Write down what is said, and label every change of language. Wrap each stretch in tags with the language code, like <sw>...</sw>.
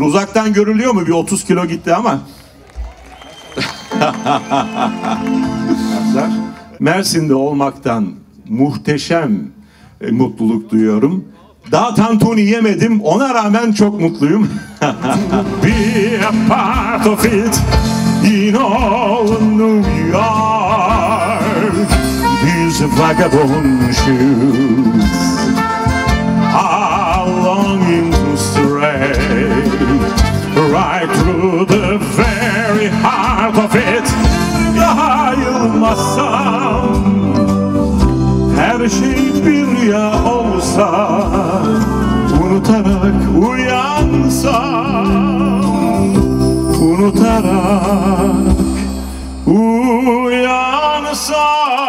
<tr>Uzaktan görülüyor mu? Bir 30 kilo gitti ama. Mersin'de olmaktan muhteşem mutluluk duyuyorum. Daha tantuni yemedim. Ona rağmen çok mutluyum.</tr> <en>Be a part of it in all New York. These vagabond shoes are longing to stray right through the very heart of it.</en> <tr>Yayılmasam her şey bir rüya olsa, unutarak uyansam, unutarak uyansam.</tr>